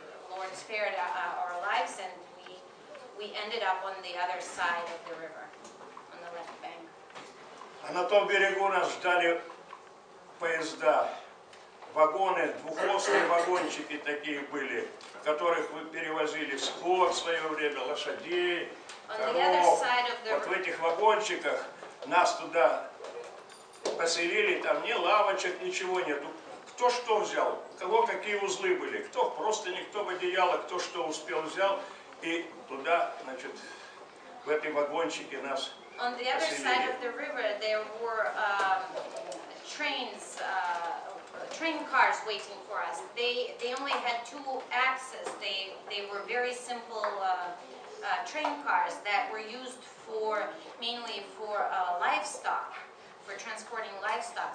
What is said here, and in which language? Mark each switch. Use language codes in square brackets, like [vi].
[en] Lord spared our lives, and we ended up on the other side of the river, on the left bank. [ru] А на том берегу нас ждали поезда, вагоны, двухосные вагончики такие были, которых вы перевозили скот в свое время, лошадей, коров. Вот в этих вагончиках нас туда поселили, там ни лавочек, ничего нету. Кто что взял, у кого какие узлы были, кто просто никто в одеяло, кто что успел взял, и туда, значит, в эти вагончики нас. [en] On the other side of the river, there were train cars waiting for us. They only had two axes. They were very simple train cars that were used for mainly for livestock, for transporting livestock.